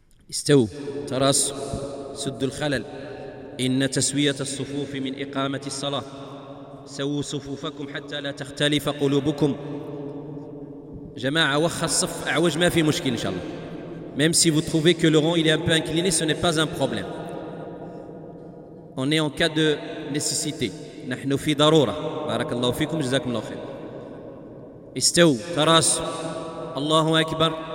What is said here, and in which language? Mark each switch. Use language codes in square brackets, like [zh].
[ar] استووا، تراصوا، سدوا الخلل، إن تسوية الصفوف من إقامة الصلاة. سووا صفوفكم حتى لا تختلف قلوبكم. جماعة وخا الصف أعوج، ما في مشكل إن شاء الله. [fr] Même si vous trouvez que le rang il est un peu incliné, ce n'est pas un problème. On est en cas de nécessité. [ar] نحن في ضرورة. بارك الله فيكم، جزاكم الله خير. استووا، تراصوا. الله أكبر.